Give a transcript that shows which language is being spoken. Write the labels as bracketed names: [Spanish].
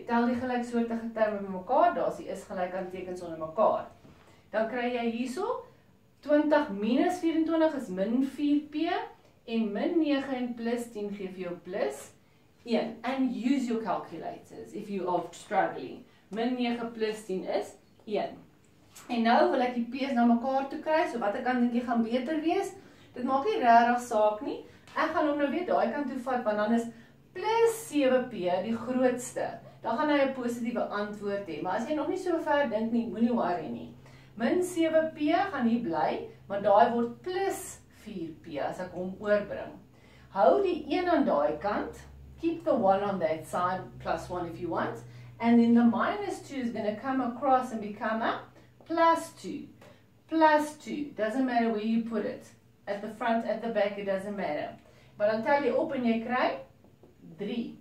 [Afrikaans] Tel die gelyksoortige terme met mekaar, daar's die is gelyk aan tekens onder mekaar. Dan kry jy hierso 20 minus 24 is min 4p en min 9 en plus 10 gee vir jou plus 1. [English] And use your calculators if you are struggling. [Afrikaans] Min 9 plus 10 is 1. En nou wil ek die p's na mekaar toe kry, so wat ek kan dink jy gaan beter wees. Dit maak nie regtig saak nie. Ek gaan hom nou weer daai kant toe vat, want dan is plus 7p die grootste. Dan gaan hy 'n positiewe antwoord hê. Maar as jy nog nie so ver dink nie, moenie worry nie. Min 7p gaan hier bly, maar daai word plus 4p as ek hom oorbring. Hou die 1 aan daai kant. [English] Keep the 1 on that side, plus 1 if you want. And then the minus 2 is going to come across and become a plus 2. Plus 2. Doesn't matter where you put it. At the front, at the back, it doesn't matter. [Afrikaans] Maar dan tel jy op en jy kry 3.